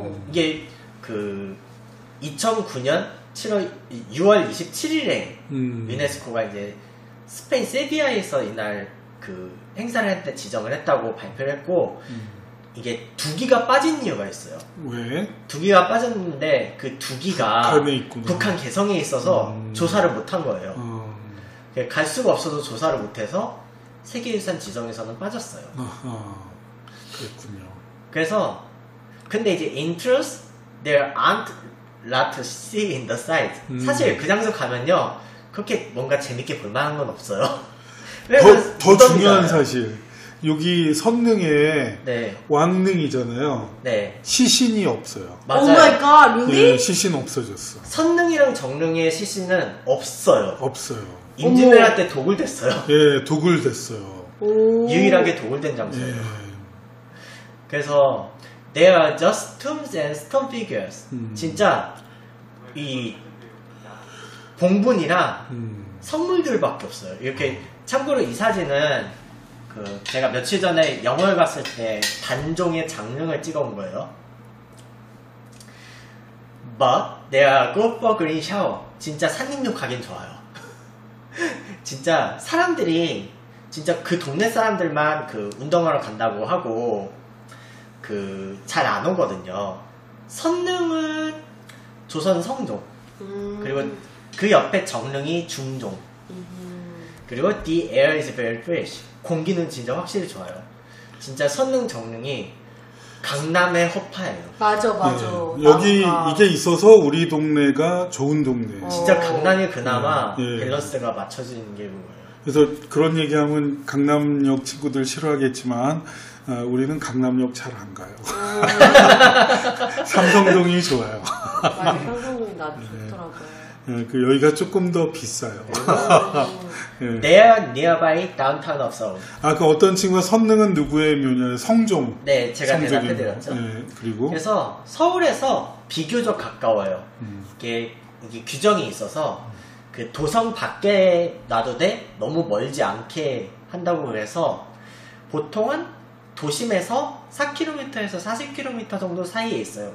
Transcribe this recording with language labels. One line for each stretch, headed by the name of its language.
Korean: 이게 그 2009년 6월 27일에 유네스코가 이제 스페인 세비야에서 이날 그 행사를 할 때 지정을 했다고 발표를 했고 이게 2기가 빠진 이유가 있어요. 왜? 2기가 빠졌는데 그 2기가 북한 개성에 있어서 조사를 못한 거예요. 갈 수가 없어서 조사를 못해서 세계유산 지정에서는 빠졌어요. 그랬군요. 그래서 근데 이제
English: in truth there aren't lot to see in the site.
Korean: 사실 그 장소 가면요 그렇게 뭔가 재밌게 볼만한 건 없어요. 더 중요한 사실 여기 선릉에 네. 왕릉이잖아요. 네. 시신이 없어요. 맞아요. 오 마이 갓, 룰리? 시신 없어졌어. 선릉이랑 정릉의 시신은 없어요. 없어요. 임진왜란때 도굴됐어요. 예, 도굴됐어요. 오. 유일하게 도굴된 장소예요. 예. 그래서
English: There are just tombs and stone figures.
Korean: 진짜 이 봉분이랑 선물들밖에 없어요. 이렇게 참고로 이 사진은 그 제가 며칠 전에 영월 갔을 때 단종의 장릉을 찍어온 거예요.
English: But they are good for green shower.
Korean: 진짜 산림욕 가긴 좋아요. 진짜 사람들이 진짜 그 동네 사람들만 그 운동하러 간다고 하고 그 잘 안 오거든요. 선릉은 조선 성종 그리고 그 옆에 정릉이 중종 그리고
English: the air is very fresh.
Korean: 공기는 진짜 확실히 좋아요. 진짜 선릉 정릉이 강남의 허파예요. 맞아 맞아. 네, 여기 이게 있어서 우리 동네가 좋은 동네. 진짜 강남이 그나마 네, 네. 밸런스가 맞춰진 게 뭐예요. 그래서 그런 얘기하면 강남역 친구들 싫어하겠지만 우리는 강남역 잘 안 가요. 삼성동이 좋아요. 삼성동이 나도 좋더라고요. 네. 예, 그 여기가 조금 더 비싸요. 네. 예.
English: They are nearby downtown of Seoul.
Korean: 아, 그 어떤 친구가 선릉은 누구의 묘냐? 성종. 네, 제가 대답해드렸죠. 예, 그리고 그래서 서울에서 비교적 가까워요. 이게 규정이 있어서 그 도성 밖에 놔도 돼 너무 멀지 않게 한다고 그래서 보통은 도심에서 4km에서 40km 정도 사이에 있어요.